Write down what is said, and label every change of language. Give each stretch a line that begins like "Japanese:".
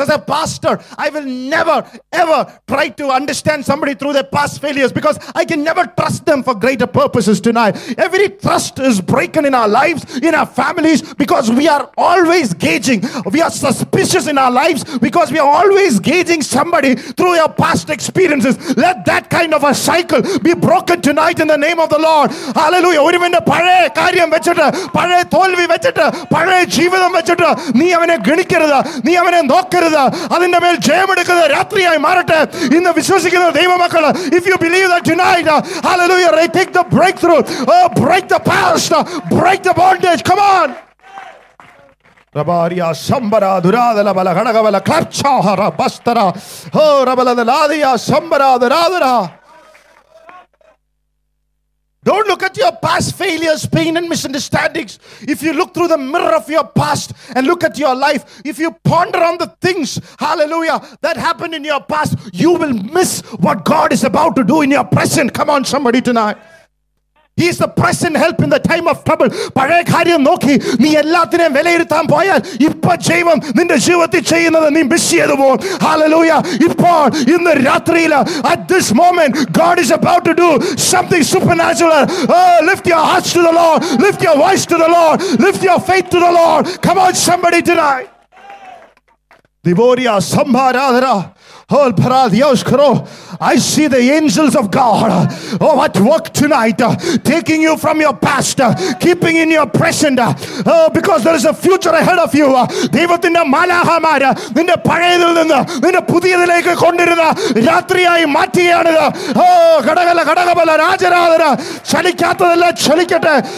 English: As a pastor, I will never, ever try to understand somebody through their past failures, because I can never trust them for greater purposes tonight. Every trust is broken in our lives, in our families, because we are always gauging. We are suspicious in our lives because we are always gauging somebody through your past experiences. Let that kind of a cycle be broken tonight in the name of the Lord. Hallelujah.
Malayalam: ഒരുവന്റെ പഴയ കാര്യം വെച്ചിട്ട്, പഴയ തോൽവി വെച്ചിട്ട്, പഴയ ജീവിതം വെച്ചിട്ട് നീ അവനെ ഗണിക്കരുത്, നീ അവനെ നോക്കരുത്. അതിന്റെ മേൽ ജയമെടുക്കുന്ന രാത്രിയായി മാറട്ടെ ഇന്ന് വിശ്വസിക്കുന്ന ദൈവമക്കള്.
English: If you believe that tonight, hallelujah, right, take the breakthrough. Oh, break the past, break the bondage. Come on. Rabariya sambara duradala bala ganaga bala klapchahara bastara. Oh, rabala daladiya sambara duradara. Don't look at your past failures, pain and misunderstandings. If you look through the mirror of your past and look at your life, if you ponder on the things, hallelujah, that happened in your past, you will miss what God is about to do in your present. Come on, somebody tonight. He is the present help in the time of trouble.
Malayalam: പഴയ കാര്യം നോക്കി നീ എല്ലാത്തിനെയും വിലയിരുത്താൻ പോയാൽ ഇപ്പോൾ ജീവം നിന്റെ ജീവിതത്തിൽ ചെയ്യുന്നത് നീ മിസ് ചെയ്തു പോകും. ഹല്ലേലൂയ. ഇപ്പോൾ ഇന്ന് രാത്രിയിൽ
English: at this moment God is about to do something supernatural. Oh, lift your hearts to the Lord. Lift your voice to the Lord. Lift your faith to the Lord. Come on somebody tonight. Divoria sambharadara. I see the angels of God at work tonight, taking you from your past, keeping in your present, because there is a future ahead of you.
Malayalam: ദൈവത്തിന്റെ മലാഹമാര് നിന്റെ പഴയതിൽ നിന്ന് നിന്റെ പുതിയതിലേക്ക് കൊണ്ടിരുന്ന രാത്രിയായി മാറ്റുകയാണിത്. ഓ ഘടകല ഘടകബല രാജരാധന, ചലിക്കാത്തതെല്ലാം ചലിക്കട്ടെ.